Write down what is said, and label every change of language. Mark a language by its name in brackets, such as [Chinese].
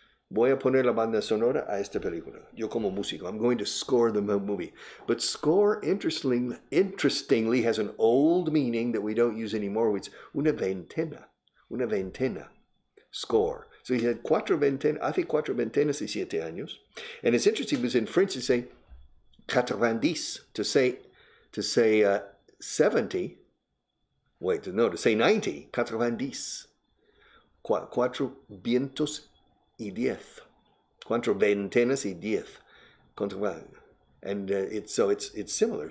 [Spanish] Voy a poner la banda sonora a esta película. Yo como músico, [English] I'm going to score the movie. But score, interestingly, has an old meaning that we don't use anymore. It's [Spanish] una veintena, [English] score. So he said, [Spanish] hace cuatro veintenas y siete años. [English] And it's interesting because in French they say, 90, to say 70. Wait, no, to say 90, 90. [Spanish] Cuatro vientos y diez. Cuatro veintenas y diez. [English] It's similar.